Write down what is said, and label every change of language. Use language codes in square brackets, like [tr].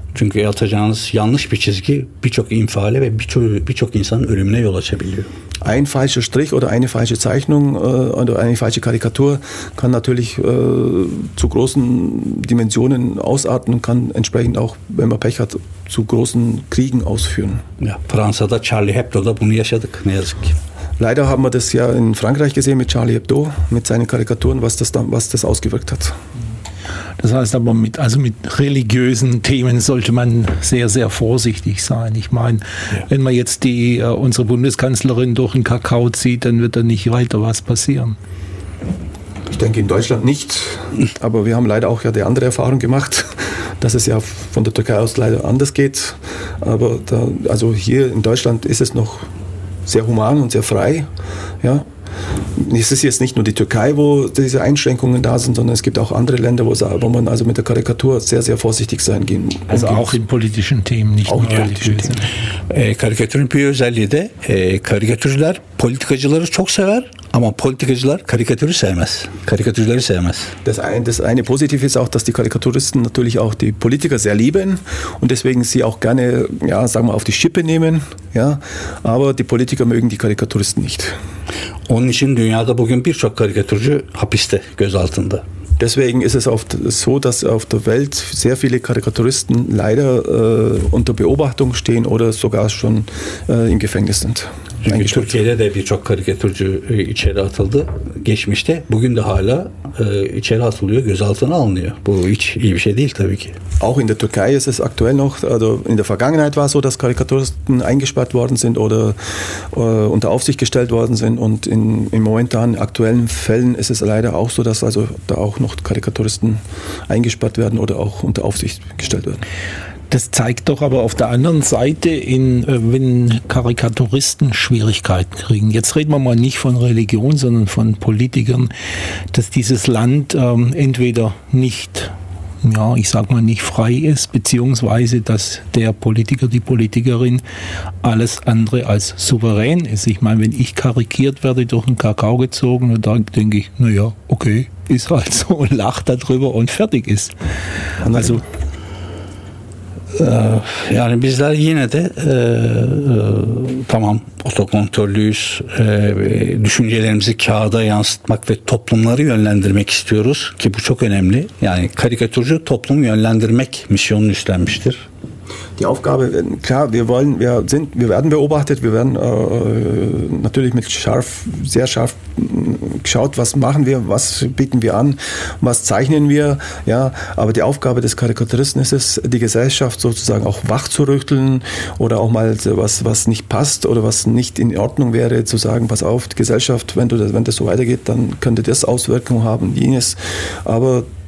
[tr] Çünkü atacağınız yanlış bir çizgi birçok infiale ve birçok insanın ölümüne yol açabiliyor. [de] Ein falscher Strich oder eine falsche Zeichnung oder eine falsche Karikatur kann natürlich zu großen Dimensionen ausarten und kann entsprechend auch, wenn man Pech hat, zu großen Kriegen ausführen. [tr] Ja, Fransa'da Charlie Hebdo'da bunu yaşadık, ne yazık ki. [de] Leider haben wir das ja in Frankreich gesehen mit Charlie Hebdo, mit seinen Karikaturen, was das ausgewirkt hat. Das heißt aber, mit religiösen Themen sollte man sehr, sehr vorsichtig sein. Ich meine, Wenn man jetzt unsere Bundeskanzlerin durch den Kakao zieht, dann wird da nicht weiter was passieren. Ich denke, in Deutschland nicht. Aber wir haben leider auch ja die andere Erfahrung gemacht, dass es ja von der Türkei aus leider anders geht. Aber da, also hier in Deutschland ist es noch sehr human und sehr frei, ja. Es ist jetzt nicht nur die Türkei, wo diese Einschränkungen da sind, sondern es gibt auch andere Länder, wo man also mit der Karikatur sehr, sehr vorsichtig sein gehen. Also auch in politischen Themen, nicht auch nur politischen Themen. [tr] Karikatürün bir özelliği de, karikatürcüler politikacıları çok sever, ama politikacılar karikatürü sevmez. Karikatürcüleri sevmez. [de] Das eine Positive ist auch, dass die Karikaturisten natürlich auch die Politiker sehr lieben und deswegen sie auch gerne, ja, sagen wir, auf die Schippe nehmen, ja, aber die Politiker mögen die Karikaturisten nicht. [tr] Onun için dünyada bugün birçok karikatürcü hapiste, gözaltında. [de] Deswegen ist es oft so, dass auf der Welt sehr viele Karikaturisten leider unter Beobachtung stehen oder sogar schon im Gefängnis sind. [tr] Türkiye'de de birçok karikatürcü içeri atıldı geçmişte. Bugün de hala içeri atılıyor, gözaltına alınıyor. Bu hiç iyi bir şey değil tabii ki. [de] Auch in der Türkei ist es aktuell noch, also in der Vergangenheit war es so, dass Karikaturisten eingesperrt worden sind oder unter Aufsicht gestellt worden sind und in momentan aktuellen Fällen ist es leider auch so, dass also da auch noch Karikaturisten eingesperrt werden oder auch unter Aufsicht gestellt werden. Das zeigt doch aber auf der anderen Seite, wenn Karikaturisten Schwierigkeiten kriegen, jetzt reden wir mal nicht von Religion, sondern von Politikern, dass dieses Land entweder nicht, ja, ich sag mal, nicht frei ist, beziehungsweise dass der Politiker, die Politikerin alles andere als souverän ist. Ich meine, wenn ich karikiert werde, durch den Kakao gezogen, dann denke ich, naja, okay, ist halt so, und lacht darüber und fertig ist. [tr] Also yani bizler yine de tamam otokontrollüyüz, düşüncelerimizi kağıda yansıtmak ve toplumları yönlendirmek istiyoruz ki bu çok önemli. Yani karikatürcü toplumu yönlendirmek misyonunu üstlenmiştir. [de] Die Aufgabe, klar, wir werden beobachtet, wir werden natürlich sehr scharf geschaut, was machen wir, was bieten wir an, was zeichnen wir, ja, aber die Aufgabe des Karikaturisten ist es, die Gesellschaft sozusagen auch wach zu rütteln oder auch mal was nicht passt oder was nicht in Ordnung wäre, zu sagen, pass auf, die Gesellschaft, wenn das so weitergeht, dann könnte das Auswirkungen haben, jenes, aber